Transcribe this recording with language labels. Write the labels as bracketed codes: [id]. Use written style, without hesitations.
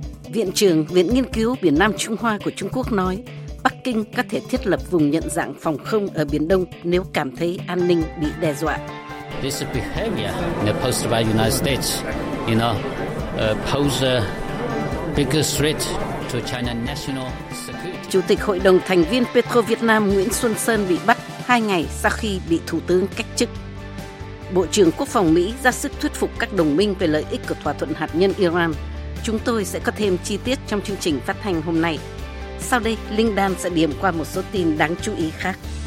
[vi] Viện trưởng Viện Nghiên cứu Biển Nam Trung Hoa của Trung Quốc nói Bắc Kinh có thể thiết lập vùng nhận dạng phòng không ở Biển Đông nếu cảm thấy an ninh bị đe dọa. [en] This behavior imposed by the United States, you know, pose a bigger threat to China's national security. [vi] Chủ tịch Hội đồng thành viên Petro Việt Nam Nguyễn Xuân Sơn bị bắt 2 ngày sau khi bị Thủ tướng cách chức. Bộ trưởng Quốc phòng Mỹ ra sức thuyết phục các đồng minh về lợi ích của thỏa thuận hạt nhân Iran. Chúng tôi sẽ có thêm chi tiết trong chương trình phát thanh hôm nay. Sau đây, Linh Đan sẽ điểm qua một số tin đáng chú ý khác.